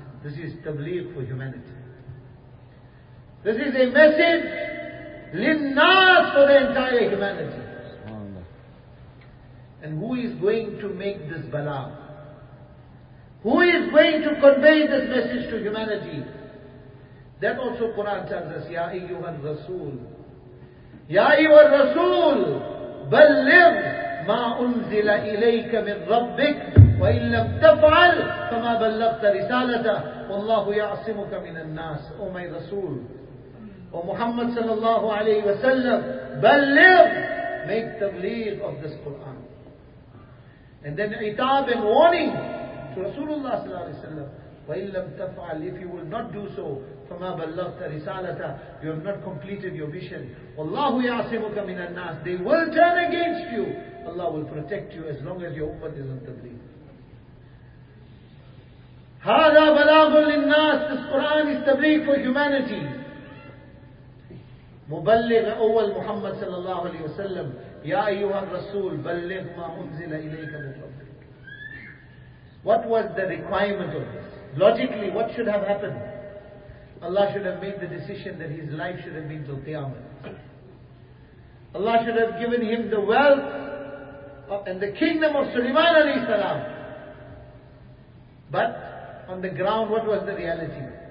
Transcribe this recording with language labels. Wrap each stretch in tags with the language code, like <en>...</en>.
<en>This is tabligh for humanity. This is a message, linnas, for the entire humanity. And who is going to make this balaghul? Who is going to convey this message to humanity? That also Quran tells us,</en> <ar>Ya ayyuhan rasul, Ya ayyuhan rasul, balligh مَا أُنزِلَ إِلَيْكَ مِنْ رَبِّكَ وَإِنْ لَمْ تَفْعَلْ فَمَا بَلَّغْتَ رِسَالَتَهُ وَاللَّهُ يَعْصِمُكَ مِنَ النَّاسِ.</ar> <en>O my Rasul, O Muhammad sallallahu alayhi wa sallam, بَلِّغْ, make tabligh of this Quran. And then itab and warning to Rasulullah sallallahu alayhi wa sallam,</en> <ar>وَإِن لَمْ تَفْعَلْ</ar> <en>If you will not do so,</en> <ar>فَمَا بَلَّغْتَ رِسَالَتَ</ar> <en>You have not completed your mission.</en> <ar>وَاللَّهُ يَعْصِمُكَ مِنَ النَّاسِ</ar> <en>They will turn against you. Allah will protect you as long as your ummah is in tabligh.</en> <ar>هَذَا بَلَاغٌ لِلنَّاسِ</ar> <en>This Quran is tabligh for humanity.</en> <ar>مُبَلِّغْ أَوَّلْ مُحَمَّدْ صَلَى اللَّهُ عَلَيْهِ وَسَلَّمْ يَا أَيُّهَا الرَّسُولُ بَلِّغْ مَا أُنزِلَ إِلَيْكَ مِنْ</ar> <en>What was the requirement of this? Logically, what should have happened? Allah should have made the decision that his life should have been till Qiyamah. Allah should have given him the wealth and the kingdom of Sulaiman alayhi salam. But on the ground, what was the reality?</en>